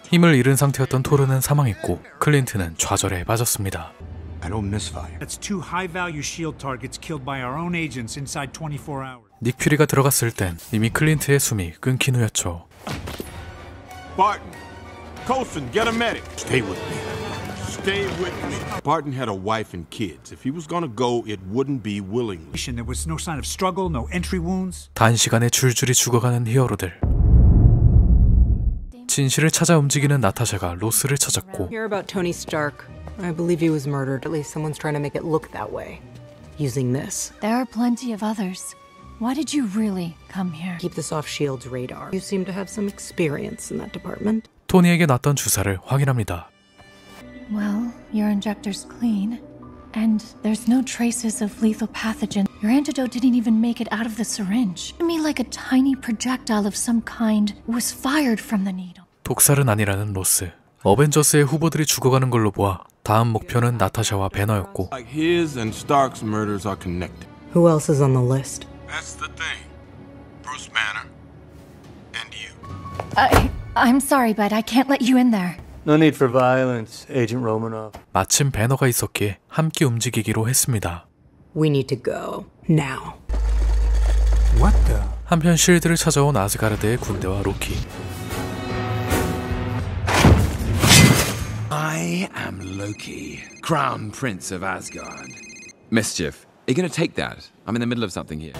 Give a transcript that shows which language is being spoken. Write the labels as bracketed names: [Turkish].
[Korean] 힘을 잃은 상태였던 토르는 사망했고 클린트는 좌절에 빠졌습니다. [English] I don't miss fire. That's two high-value shield targets killed by our own agents inside 24 hours. [Korean] 닉 퓨리가 들어갔을 땐 이미 클린트의 숨이 끊긴 후였죠. [English] Barton. Coulson, get a medic. Stay with me. Stay with me. Barton had a wife and kids. If he was gonna go, it wouldn't be willingly. There was no sign of struggle, no entry wounds. [Korean] 단시간에 줄줄이 죽어가는 히어로들. 진실을 찾아 움직이는 나타샤가 로스를 찾았고. [English] Hear about Tony Stark? I believe he was murdered. At least someone's trying to make it look that way, using this. There are plenty of others. Why did you really come here? Keep this off Shield's radar. You seem to have some experience in that department. [Korean] 토니에게 났던 주사를 확인합니다. [English] Well, your injector's clean, and there's no traces of lethal pathogen. Your antidote didn't even make it out of the syringe. I mean, like a tiny projectile of some kind was fired from the needle. [Korean] 독살은 아니라는 로스. 어벤져스의 후보들이 죽어가는 걸로 보아 다음 목표는 나타샤와 배너였고. [English] Like his and Stark's murders are connected. Who else is on the list? That's the thing. Bruce Banner. And you. I'm sorry, but I can't let you in there. No need for violence, Agent Romanoff. [Korean] 마침 배너가 있었기에 함께 움직이기로 했습니다. [English] We need to go now. What the? [Korean] 한편 실드를 찾아온 아즈가르드의 군대와 로키. [English] I am Loki, Crown Prince of Asgard. Mischief. Are you gonna take that? I'm in the middle of something here.